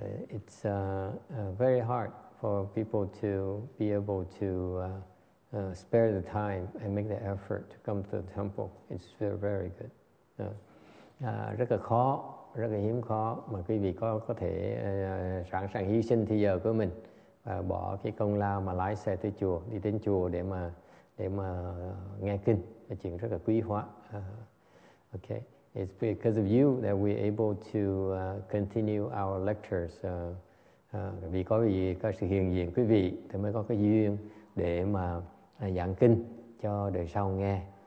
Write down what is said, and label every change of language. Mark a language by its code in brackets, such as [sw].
[en] It's very hard for people to be able to spare the time and make the effort to come to the temple. It's very, very good. [vi] Rất là khó, rất là hiếm khó mà quý vị có thể sẵn sàng hy sinh thời giờ của mình và bỏ cái công lao mà lái xe tới chùa, đi đến chùa để mà nghe kinh, là chuyện rất là quý hóa. [en] Okay, it's because of you that we're able to continue our lectures. [vi] Vì có gì có sự hiện diện quý vị, thì mới có cái duyên để mà giảng kinh cho đời sau nghe.